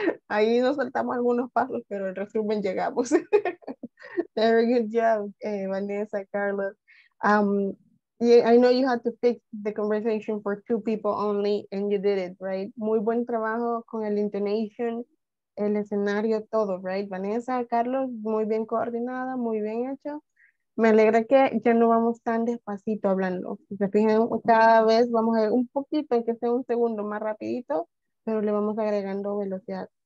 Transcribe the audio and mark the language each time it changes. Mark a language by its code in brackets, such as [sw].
[es] Ahí nos saltamos algunos pasos, pero en resumen llegamos. [en] Very good job, Vanessa, Carlos. I know you had to fix the conversation for 2 people only, and you did it, right? [es] Muy buen trabajo con el intonation, el escenario, todo, right? Vanessa, Carlos, muy bien coordinada, muy bien hecho. Me alegra que ya no vamos tan despacito hablando. Si se fijan, cada vez vamos a ir un poquito, que sea un segundo más rapidito, pero le vamos agregando velocidad.